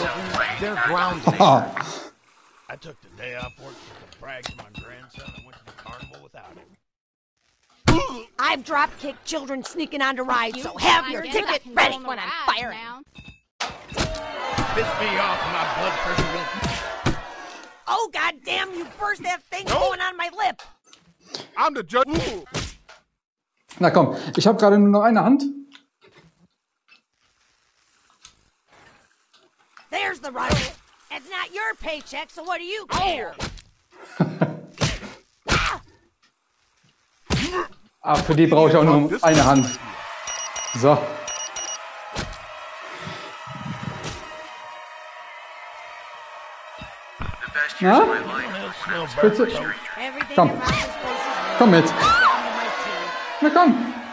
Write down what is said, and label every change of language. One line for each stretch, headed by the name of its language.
English: I took the day off work to brag to my grandson and went to the carnival without him. I've drop kicked children sneaking onto rides, so have your ticket ready when I'm firing. Piss me off, my blood pressure. Oh, goddamn, you burst that thing going on my lip. I'm the judge.
German: Na komm, ich habe gerade nur noch eine Hand.
English: There's the rifle. It's not your paycheck, so what do you care?
German: Ah, für die brauche ich auch nur eine Hand. So. Na? Komm. Komm mit. Na komm.